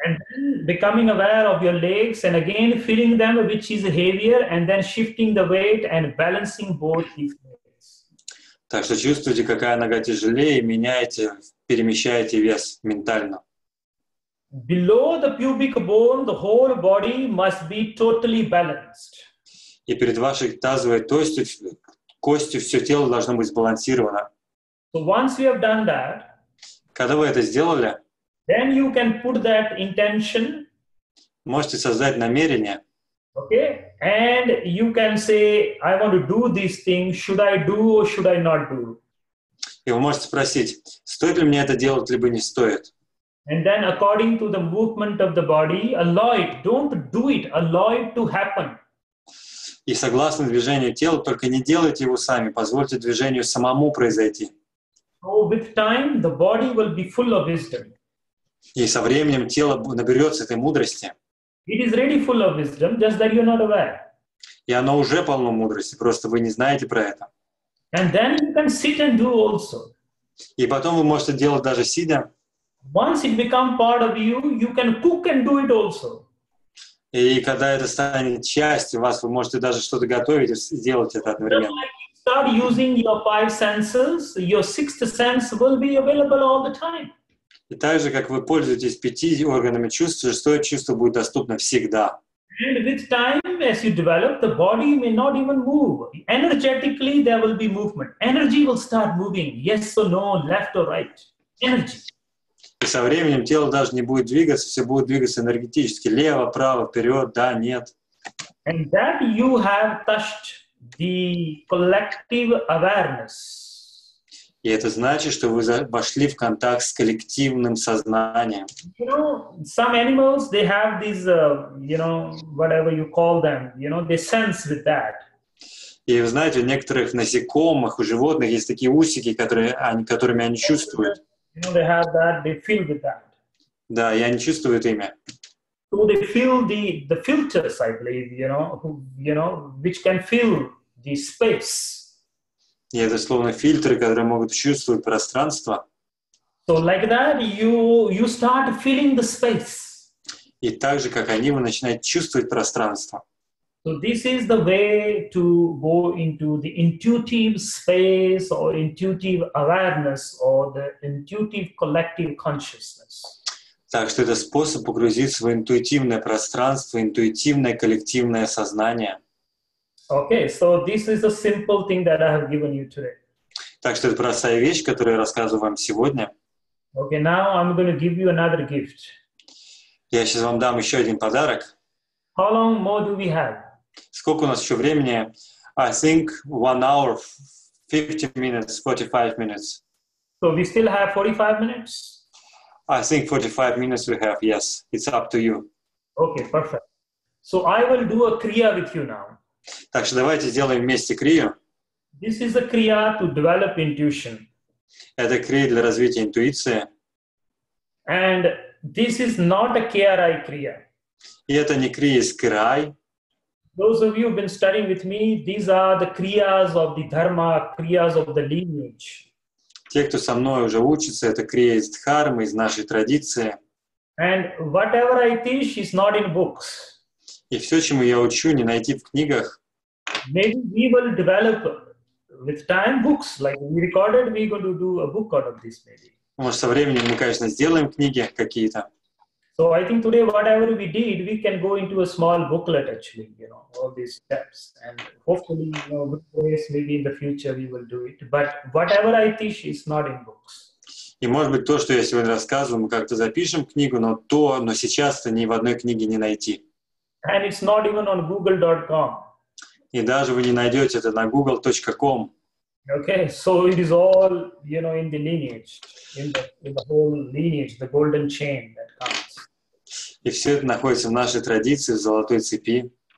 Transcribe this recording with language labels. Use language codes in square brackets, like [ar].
[en] And then becoming aware of your legs and again feeling them, which is heavier, and then shifting the weight and balancing both these legs. [ru] Так что чувствуете, какая нога тяжелее, меняете, перемещаете вес ментально. [en] Below the pubic bone, the whole body must be totally balanced. [ru] И перед вашей тазовой костью все тело должно быть сбалансировано. [en] So once you have done that, [ru] когда вы это сделали, [en] then you can put that intention, [ru] можете создать намерение, [en] okay, and you can say, I want to do this thing, should I do or should I not do? [ru] И вы можете спросить, стоит ли мне это делать, либо не стоит. [en] And then according to the movement of the body, allow it, don't do it, allow it to happen. [ru] И согласно движению тела, только не делайте его сами, позвольте движению самому произойти. [en] So with time, the body will be full of wisdom. [ru] И со временем тело наберется этой мудрости. [en] It is really full of wisdom, just that you're not aware. [ru] И оно уже полно мудрости, просто вы не знаете про это. [en] And then you can sit and do also. [ru] И потом вы можете делать даже сидя. [en] Once it becomes part of you, you can cook and do it also. [ru] И когда это станет частью вас, вы можете даже что-то готовить и сделать это одновременно. [en] Start using your five senses, your sixth sense will be available all the time. [ru] И так же, как вы пользуетесь пяти органами чувств, шестое чувство будет доступно всегда. [en] And with time, as you develop, the body may not even move. Energetically, there will be movement. Energy will start moving. Yes or no, left or right. Energy. [ru] И со временем тело даже не будет двигаться, все будет двигаться энергетически. Лево, право, вперед, да, нет. [en] And that you have touched the collective awareness. [ru] И это значит, что вы вошли в контакт с коллективным сознанием. [en] You know, some animals, they have these, you know, whatever you call them, you know, they sense with that. [ru] И вы знаете, у некоторых насекомых, у животных есть такие усики, которыми они чувствуют. [en] You know, they have that, they feel with that. [ru] Да, и они чувствуют ими. [en] So they feel the filters, I believe, you know, which can feel the space. [ru] И это словно фильтры, которые могут чувствовать пространство. [en] So like that, you start feeling the space. [ru] И так же, как они, вы начинаете чувствовать пространство. [en] So this is the way to go into the intuitive space or intuitive awareness or the intuitive collective consciousness. [ru] Так что это способ погрузиться в интуитивное пространство, интуитивное коллективное сознание. [en] Okay, so this is a simple thing that I have given you today. [ru] Так что это простая вещь, которую я рассказываю вам сегодня. [en] Okay, now I'm going to give you another gift. [ru] Я сейчас вам дам еще один подарок. [en] How long more do we have? [ru] Сколько у нас еще времени? [en] I think 1 hour, 50 minutes, 45 minutes. So we still have 45 minutes? I think 45 minutes we have, yes. It's up to you. Okay, perfect. So I will do a kriya with you now. [ru] Так что давайте сделаем вместе крию. [en] This is a kriya to develop intuition. [ru] Это крия для развития интуиции. [en] And this is not a KRI kriya. [ru] И это не крия из KRI. [en] Those of you who've been studying with me, these are the kriyas of the dharma, kriyas of the lineage. [ru] Те, кто со мной уже учится, это крия из дхармы, из нашей традиции. [en] And whatever I teach is not in books. [ru] И все, чему я учу, не найти в книгах. [en] Maybe we will develop with time books, like we recorded, we're going to do a book out of this maybe. [ru] Может, со временем мы, конечно, сделаем книги какие-то. [en] So I think today, whatever we did, we can go into a small booklet, actually, you know, all these steps. And hopefully, you know, with grace, maybe in the future we will do it. But whatever I teach is not in books. [ru] И, может быть, то, что я сегодня рассказываю, мы как-то запишем книгу, но то, но сейчас-то ни в одной книге не найти. [en] And it's not even on google.com. [ru] И даже вы не найдете это на google.com. [en] Okay, so it is all, you know, in the lineage, in the whole lineage, the golden chain that comes. [ru] И все это находится в нашей традиции, в золотой цепи.